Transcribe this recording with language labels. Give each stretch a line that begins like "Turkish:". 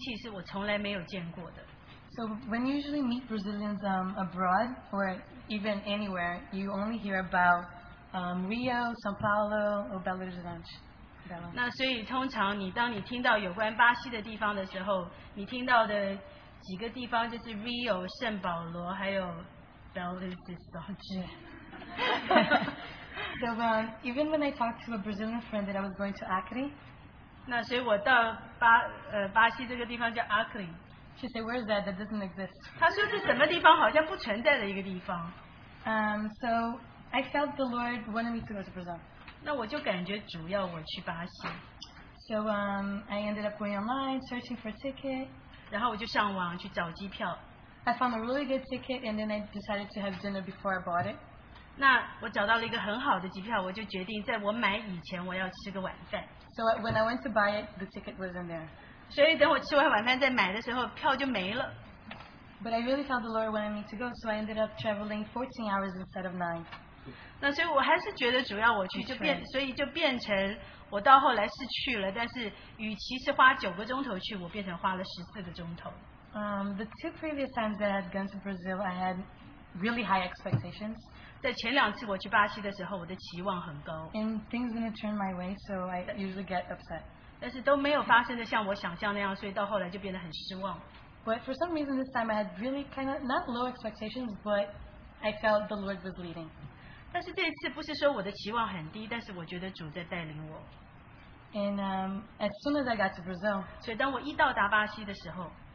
Chinese: 我就跟我的母亲商量，结果也是讲到去巴西。后来我发现在巴西有一些亲戚是我从来没有见过的。
English: So when you usually meet Brazilians abroad or even anywhere, you only hear about Rio, São Paulo, or Belo Horizonte.
Chinese: 那所以通常你当你听到有关巴西的地方的时候，你听到的几个地方就是 Rio、圣保罗还有 Belo Horizonte。
English: So even when I talked to a Brazilian friend that I was going to Acre,
Chinese: 那所以我到巴西这个地方叫 Acre。
English: She said, "Where is that? That doesn't exist."
Chinese: 她说是什么地方好像不存在的一个地方。
English: So I felt the Lord wanted me to go to Brazil.
Chinese: 那我就感觉主要我去巴西。
English: So I ended up going online searching for a ticket.
Chinese: 然后我就上网去找机票。
English: I found a really good ticket, and then I decided to have dinner before I bought it.
Chinese: 那我找到了一个很好的机票，我就决定在我买以前我要吃个晚饭。
English: So when I went to buy it, the ticket wasn't there.
Chinese: 所以等我吃完晚饭再买的时候，票就没了。
English: But I really felt the Lord wanted me to go, so I ended up traveling 14 hours instead of 9.
Chinese: 那所以我还是觉得主要我去就变，所以就变成我到后来是去了，但是与其是花九个钟头去，我变成花了14个钟头。
English: The two previous times that I had gone to Brazil, I had really high expectations.
Chinese: 在前两次我去巴西的时候，我的期望很高。
English: And things didn't turn my way, so I usually get upset.
Chinese: 但是都没有发生的像我想象那样，所以到后来就变得很失望。
English: But for some reason, this time I had really kind of not low expectations, but I felt the Lord was leading.
Chinese: 但是这次不是说我的期望很低，但是我觉得主在带领我。
English: And as soon as I got to Brazil,
Chinese: 所以当我一到达巴西的时候。